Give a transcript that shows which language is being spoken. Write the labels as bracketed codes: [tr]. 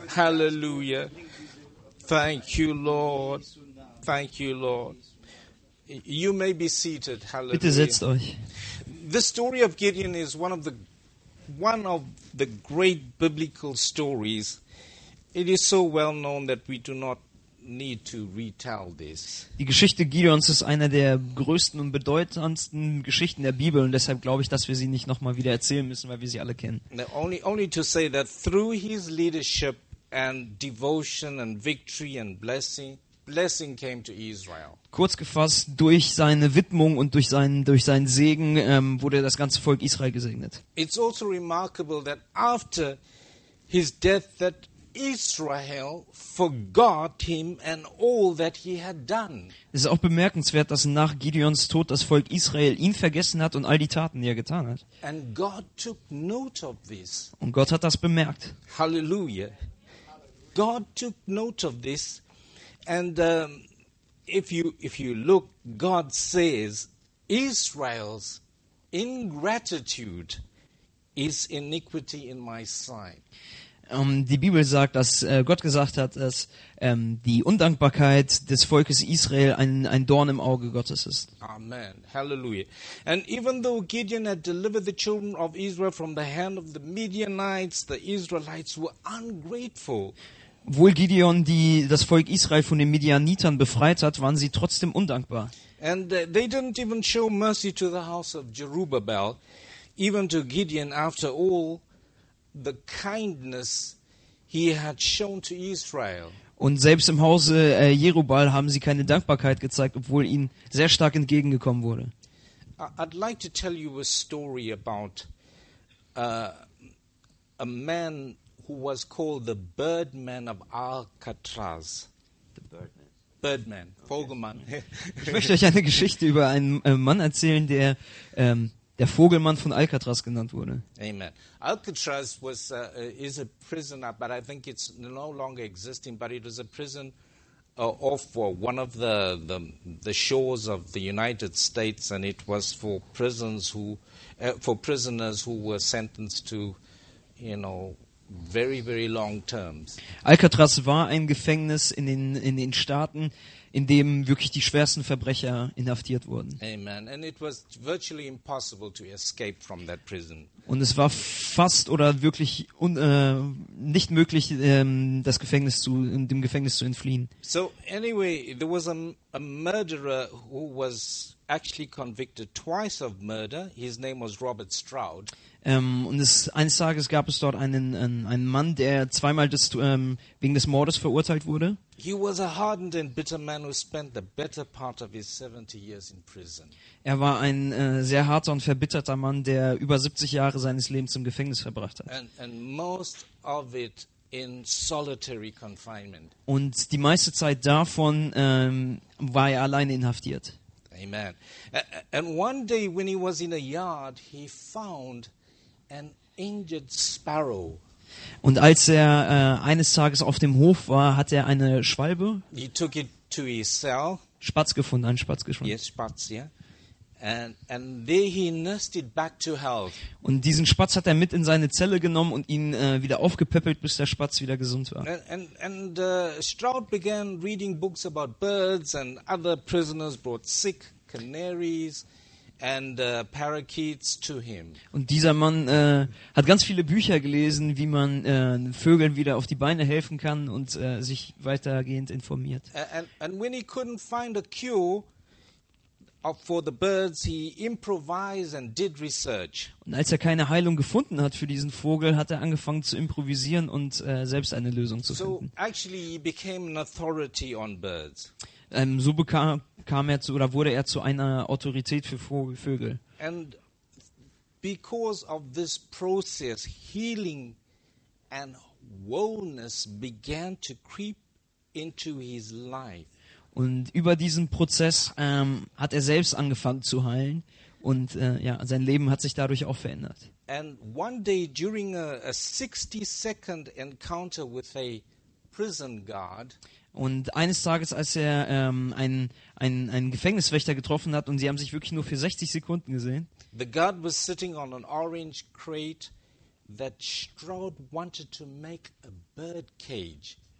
[en] Hallelujah. Thank you, Lord. Thank you, Lord. You may be seated. Hallelujah. [de] Bitte setzt euch. [en] The story of Gideon is one of the great biblical stories. It is so well known that we do not need to retell this. [de] Die Geschichte Gideons ist eine der größten und bedeutendsten Geschichten der Bibel, und deshalb glaube ich, dass wir sie nicht nochmal wieder erzählen müssen, weil wir sie alle kennen. [en] Only to say that through his leadership and devotion and victory and blessing came to Israel. [de] Kurz gefasst, durch seine Widmung und durch seinen Segen wurde das ganze Volk Israel gesegnet. [en] It's also remarkable that after his death that Israel forgot him and all that he had done. [de] Es ist auch bemerkenswert, dass nach Gideons Tod das Volk Israel ihn vergessen hat und all die Taten, die er getan hat. [en] And God took note of this. [de] Und Gott hat das bemerkt. [en] Hallelujah. God took note of this, and if you look, God says Israel's Ingratitude is iniquity in my sight. [de] Die Bibel sagt, dass Gott gesagt hat, dass die Undankbarkeit des Volkes Israel ein Dorn im Auge Gottes ist. [en] Amen. Hallelujah. And even though Gideon had delivered the children of Israel from the hand of the Midianites, the Israelites were ungrateful. [de] Obwohl Gideon das Volk Israel von den Midianitern befreit hat, waren sie trotzdem undankbar. [en] And they didn't even show mercy to the house of Jerubbaal, even to Gideon, after all the kindness he had shown to Israel. [de] Und selbst im Hause Jerubbaal haben sie keine Dankbarkeit gezeigt, obwohl ihnen sehr stark entgegengekommen wurde. [en] I'd like to tell you a story about a man who was called the Birdman of Alcatraz. The Birdman. Birdman, okay. Vogelmann. [de] Ich möchte euch eine Geschichte über einen Mann erzählen, der der Vogelmann von Alcatraz genannt wurde. [en] Amen. Alcatraz was is a prison, but I think it's no longer existing, but it was a prison off for one of the shores of the United States, and it was for prisoners who were sentenced to, you know, very, very long terms. [de] Alcatraz war ein Gefängnis in den Staaten, in dem wirklich die schwersten Verbrecher inhaftiert wurden. [en] Amen. And it was virtually impossible to escape from that prison. [de] Und es war fast oder wirklich nicht möglich, dem Gefängnis zu entfliehen. [en] So anyway, there was a murderer who was actually convicted twice of murder. His name was Robert Stroud. [de] Eines Tages gab es dort einen Mann, der zweimal wegen des Mordes verurteilt wurde. [en] He was a hardened and bitter man who spent the better part of his 70 years in prison. [de] Er war ein sehr harter und verbitterter Mann, der über 70 Jahre seines Lebens im Gefängnis verbracht hat. [en] And most of it in solitary confinement. [de] Und die meiste Zeit davon war er alleine inhaftiert. [en] Amen. And one day when he was in a yard, he found an injured sparrow. [de] Und als er eines Tages auf dem Hof war, hat er eine Schwalbe. [en] He took it to his cell. [de] Spatz gefunden, einen Spatz gefunden. [en] Yes, Spatz, yeah. And there he nursed it back to health. [de] Und diesen Spatz hat er mit in seine Zelle genommen und ihn wieder aufgepäppelt, bis der Spatz wieder gesund war. [en] Stroud began reading books about birds, and other prisoners brought sick canaries and parakeets to him. [de] Und dieser Mann hat ganz viele Bücher gelesen, wie man Vögeln wieder auf die Beine helfen kann und sich weitergehend informiert. [en] And when he couldn't find a cure for the birds, he improvised and did research. [de] Und als er keine Heilung gefunden hat für diesen Vogel, hat er angefangen zu improvisieren und selbst eine Lösung zu finden. [en] So actually he became an authority on birds. [de] So bekam er zu oder wurde er zu einer Autorität für Vögel. [en] And because of this process, healing and wellness began to creep into his life. [de] Und über diesen Prozess hat er selbst angefangen zu heilen und sein Leben hat sich dadurch auch verändert. [en] And one day during a 60-second encounter with a prison guard. [de] Und eines Tages, als er einen Gefängniswächter getroffen hat und sie haben sich wirklich nur für 60 Sekunden gesehen. [en] The guard was sitting on an orange crate that Stroud wanted to make a bird cage.